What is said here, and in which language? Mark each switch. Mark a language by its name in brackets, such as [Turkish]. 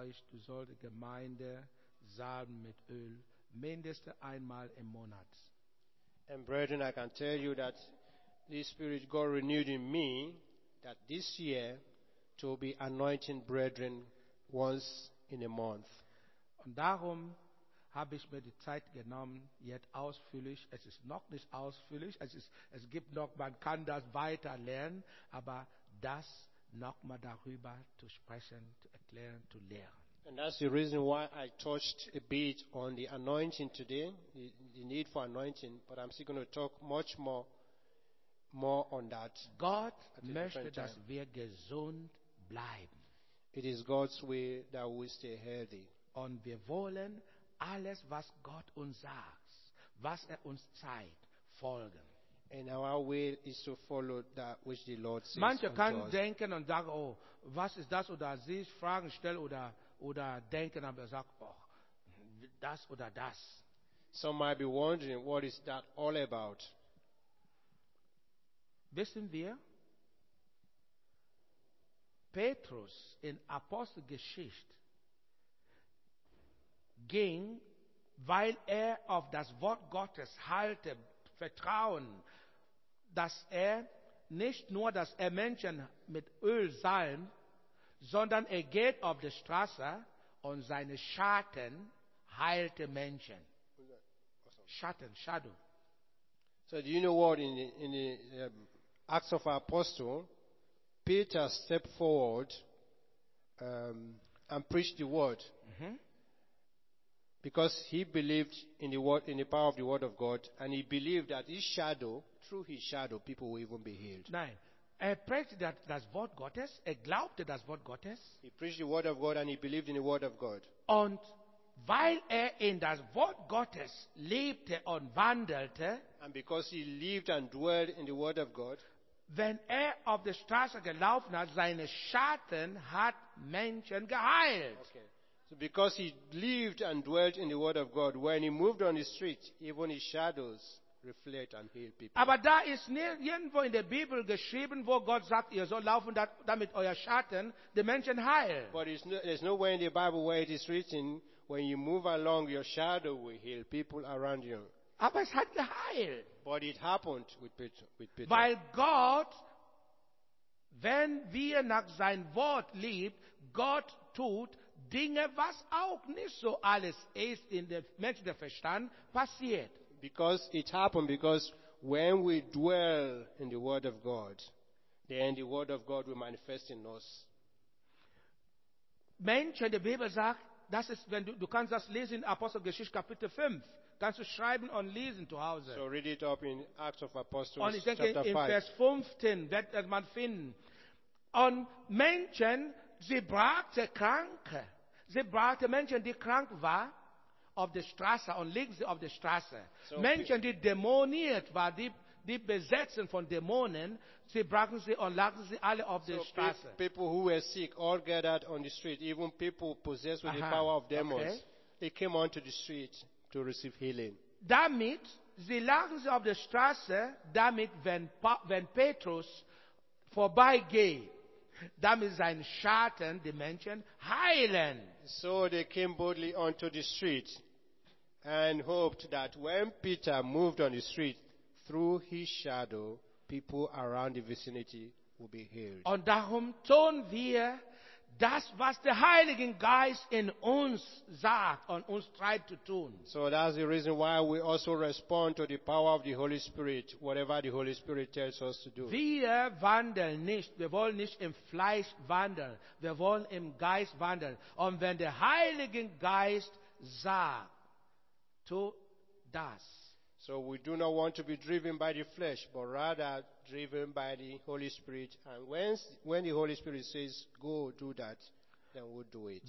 [German] Du sollst die Gemeinde salben mit Öl mindestens einmal im Monat. [English] And brethren, I can tell you that this Spirit God renewed in me that this year to be anointing brethren once in a month. [German] Und darum habe ich mir die Zeit genommen, jetzt ausführlich. Es ist noch nicht ausführlich. Es gibt noch, man kann das weiter lernen, aber das nochmal darüber zu sprechen, zu erklären, zu lehren. [English] And that's the reason why I touched a bit on the anointing today, the need for anointing, but I'm still going to talk much more on that. [German] God möchte, dass wir gesund bleiben. [English] It is God's will that we stay healthy. [German] Und wir wollen alles, was Gott uns sagt, was uns zeigt, folgen. [English] And our will is to follow that which the Lord says. [German] Manche kann denken und sagen, oh, was ist das, oder sich Fragen stellen oder denken, aber sagt, oh, das oder das. [English] Some might be wondering, what is that all about? [German] Wissen wir, Petrus in Apostelgeschichte ging, weil auf das Wort Gottes halte, Vertrauen, dass nicht nur, dass Menschen mit Öl salben, sondern geht auf die Straße und seine Schatten heilte Menschen. Schatten, Shadow. [English] So do you know what, in the Acts of Apostle, Peter stepped forward and preached the word. Mm-hmm. Because he believed in the word, in the power of the word of God, and he believed that his shadow, through his shadow, people will even be healed. [German] Nein. Er predigte das Wort Gottes, glaubte das Wort Gottes. [English] He preached the word of God and he believed in the word of God. [German] Und weil in das Wort Gottes lebte und wandelte, [English] and because he lived and dwelt in the word of God, [German] wenn auf der Straße gelaufen hat, seine Schatten hat Menschen geheilt. [English] Okay. So because he lived and dwelt in the word of God, when he moved on the street, even his shadows reflect and heal people. [German] Aber da ist nirgendwo in der Bibel geschrieben, wo Gott sagt, ihr sollt laufen, damit euer Schatten die Menschen heilt. [English] But there's nowhere in the Bible where it is written, when you move along, your shadow will heal people around you. [German] Aber es hat geheilt. [English] But it happened with Peter. [German] Weil Gott, wenn wir nach sein Wort lieben, Gott tut Dinge, was auch nicht so alles ist in der menschlichen Verstand, passiert. [English] Because it happened, because when we dwell in the word of God, then the word of God will manifest in us. [German] Menschen, die Bibel sagt, das ist, wenn du kannst das lesen in Apostelgeschichte Kapitel 5. Kannst du schreiben und lesen zu Hause. [English] So read it up in Acts of Apostles. [German] Und ich denke, [English] chapter 5. [German] In Vers 15 wird man finden. Und Menschen, sie brachte Kranke. Sie brachte Menschen, die krank waren, auf der Straße und legen sie auf der Straße. So Menschen, die dämoniert waren, die besetzen von Dämonen, sie brachen sie und lagen sie alle auf der Straße. [English] People who were sick all gathered on the street, even people possessed with the power of demons, they came onto the street to receive healing. [German] Damit, sie lagen sie auf der Straße, damit wenn Petrus vorbeigeht, damit sein Schatten die Menschen heilen. [English] So they came boldly onto the street and hoped that when Peter moved on the street through his shadow, people around the vicinity would be healed. [German] Und darum tun wir das, was der Heilige Geist in uns sagt und uns treibt zu tun. [English] So that's the reason why we also respond to the power of the Holy Spirit, whatever the Holy Spirit tells us to do. [German] Wir wandeln nicht, wir wollen nicht im Fleisch wandeln, wir wollen im Geist wandeln. Und wenn der Heilige Geist sagt, tu das. [English] So we do not want to be driven by the flesh, but rather driven by the Holy Spirit. And when the Holy Spirit says, go, do that, then we'll do it.